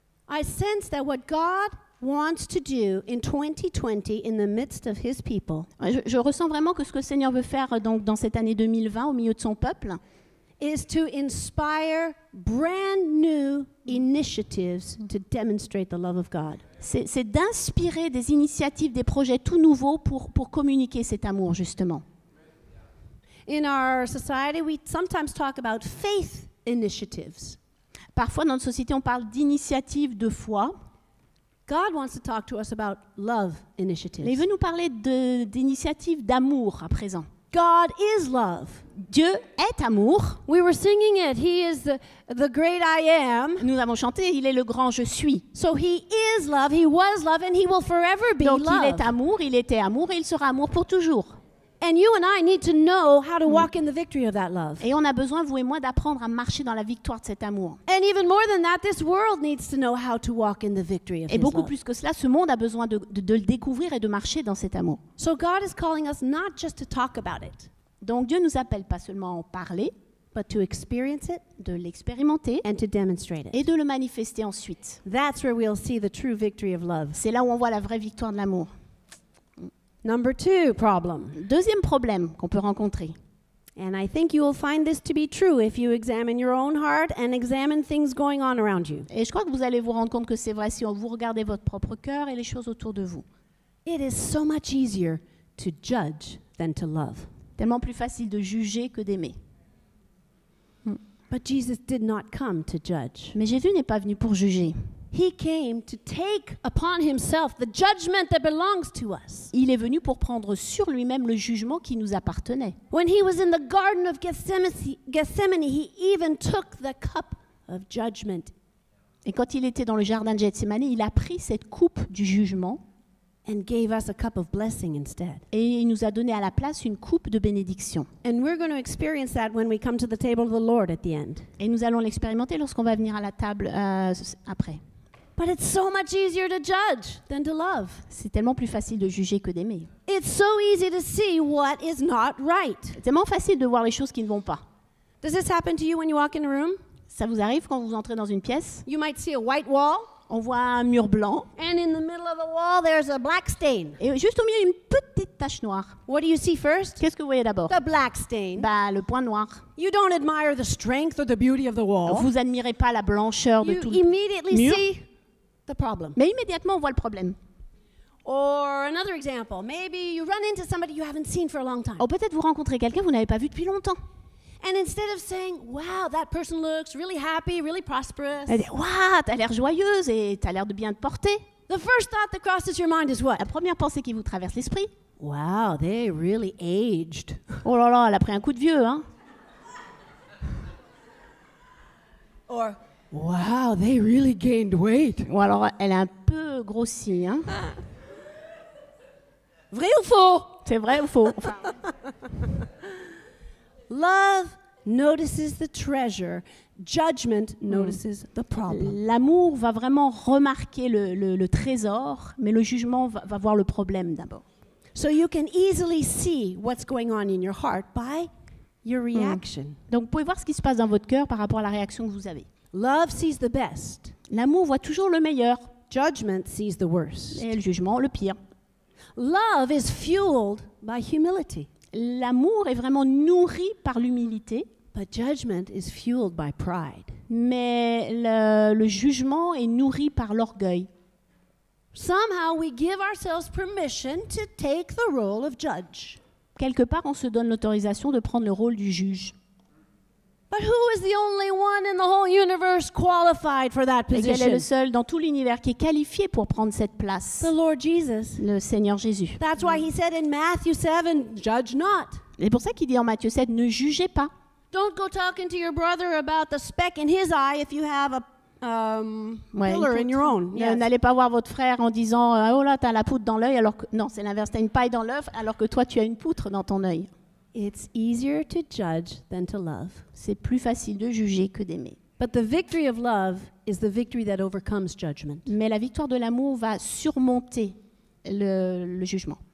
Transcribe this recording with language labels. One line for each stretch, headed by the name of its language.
English: I sense that what God wants to do in 2020 in the midst of his people.
French: Je ressens vraiment que ce que le Seigneur veut faire donc dans cette année 2020 au milieu de son peuple
English: is to inspire brand new initiatives to demonstrate the love of God.
French: C'est d'inspirer des initiatives, des projets tout nouveaux pour communiquer cet amour, justement.
English: In our society, we sometimes talk about faith initiatives.
French: Parfois, dans notre société, on parle d'initiatives de foi.
English: God wants to talk to us about love initiatives.
French: Mais il veut nous parler d'initiatives d'amour à présent.
English: God is love.
French: Dieu est amour.
English: We were singing it. He is the great I am.
French: Nous avons chanté, il est le grand je suis.
English: So he is love, he was love and he will forever be
French: Donc,
English: love.
French: Donc il est amour, il était amour et il sera amour pour toujours.
English: And you and I need to know how to walk in the victory of that love.
French: Et on a besoin, vous et moi, d'apprendre à marcher dans la victoire de cet amour.
English: And even more than that, this world needs to know how to walk in the victory of his love.
French: Et beaucoup plus que cela, ce monde a besoin de le découvrir et de marcher dans cet amour.
English: So God is calling us not just to talk about it.
French: Donc Dieu nous appelle pas seulement à en parler,
English: but to experience it,
French: de l'expérimenter,
English: and to demonstrate it,
French: et de le manifester ensuite.
English: That's where we'll see the true victory of love.
French: C'est là où on voit la vraie victoire de l'amour.
English: Number two problem.
French: Deuxième problème qu'on peut rencontrer.
English: And I think you will find this to be true if you examine your own heart and examine things going on around you.
French: Et je crois que vous allez vous rendre compte que c'est vrai si vous regardez votre propre cœur et les choses autour de vous.
English: It is so much easier to judge than to love.
French: Tellement plus facile de juger que d'aimer.
English: But Jesus did not come to judge.
French: Mais Jésus n'est pas venu pour juger.
English: He came to take upon himself the judgment that belongs to us.
French: Il est venu pour prendre sur lui-même le jugement qui nous appartenait.
English: When he was in the garden of Gethsemane, he even took the cup of judgment.
French: Et quand il était dans le jardin de Gethsemane, il a pris cette coupe du jugement
English: and gave us a cup of blessing instead.
French: Et il nous a donné à la place une coupe de bénédiction.
English: And we're going to experience that when we come to the table of the Lord at the end.
French: Et nous allons l'expérimenter lorsqu'on va venir à la table après.
English: But it's so much easier to judge than to love.
French: C'est tellement plus facile de juger que d'aimer.
English: It's so easy to see what is not right.
French: C'est tellement facile de voir les choses qui ne vont pas.
English: Does this happen to you when you walk in a room?
French: Ça vous arrive quand vous entrez dans une pièce?
English: You might see a white wall.
French: On voit un mur blanc.
English: And in the middle of the wall there's a black stain.
French: Et juste au milieu une petite tache noire.
English: What do you see first?
French: Qu'est-ce que vous voyez d'abord?
English: The black stain.
French: Bah le point noir.
English: You don't admire the strength or the beauty of the wall.
French: Vous admirez pas la blancheur de tout le mur.
English: You immediately see the problem.
French: Mais immédiatement on voit le problème.
English: Or another example, maybe you run into somebody you haven't seen for a long time.
French: Oh, peut-être vous rencontrez quelqu'un que vous n'avez pas vu depuis longtemps.
English: And instead of saying, "Wow, that person looks really happy, really prosperous."
French: Elle dit, "Wow, t'as l'air joyeuse et t'as l'air de bien te porter."
English: The first thought that crosses your mind is what?
French: La première pensée qui vous traverse l'esprit?
English: "Wow, they really aged."
French: Oh là là, elle a pris un coup de vieux, hein.
English: Or "Wow, they really gained weight."
French: Ou alors, elle a un peu grossi, hein? Vrai ou faux? C'est vrai ou faux?
English: Love notices the treasure. Judgment notices the problem.
French: L'amour va vraiment remarquer le trésor, mais le jugement va voir le problème d'abord.
English: So you can easily see what's going on in your heart by your reaction.
French: Donc, vous pouvez voir ce qui se passe dans votre cœur par rapport à la réaction que vous avez.
English: Love sees the best.
French: L'amour voit toujours le meilleur.
English: Judgment sees the worst.
French: Et le jugement, le pire.
English: Love is fueled by humility.
French: L'amour est vraiment nourri par l'humilité.
English: But judgment is fueled by pride.
French: Mais le jugement est nourri par l'orgueil.
English: Somehow we give ourselves permission to take the role of judge.
French: Quelque part, on se donne l'autorisation de prendre le rôle du juge.
English: But who is the only one in the whole universe qualified for that position?
French: Quel est le seul dans tout l'univers qui est qualifié pour prendre cette place?
English: The Lord Jesus.
French: Le Seigneur Jésus.
English: That's why he said in Matthew 7, judge not.
French: C'est pour ça qu'il dit en Matthieu 7, ne jugez pas.
English: Don't go talking to your brother about the speck in his eye if you have a pillar in your own. Yes.
French: N'allez pas voir votre frère en disant, oh là, t'as la poutre dans l'œil, alors que, non, c'est l'inverse, t'as une paille dans l'œuf, alors que toi, tu as une poutre dans ton œil.
English: It's easier to judge than to love.
French: C'est plus facile de juger que d'aimer.
English: But the victory of love is the victory that overcomes judgment.
French: Mais la victoire de l'amour va surmonter le jugement.